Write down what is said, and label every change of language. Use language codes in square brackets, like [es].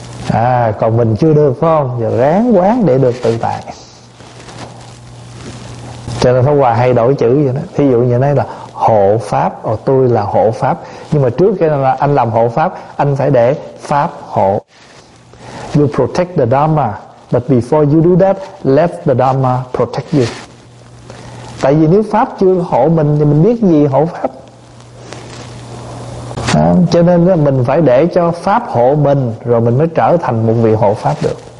[vi] À, còn mình chưa được phải không? Giờ ráng quán để được tự tại. Cho nên Pháp Hòa hay đổi chữ vậy đó. Thí dụ như thế này là hộ pháp, ồ tôi là hộ pháp. Nhưng mà trước kia là anh làm hộ pháp, anh phải để pháp hộ. [en] You protect the Dharma, but before you do that, let the Dharma protect you. [vi] Tại vì nếu pháp chưa hộ mình thì mình biết gì hộ pháp. À, cho nên mình phải để cho pháp hộ mình rồi mình mới trở thành một vị hộ pháp được.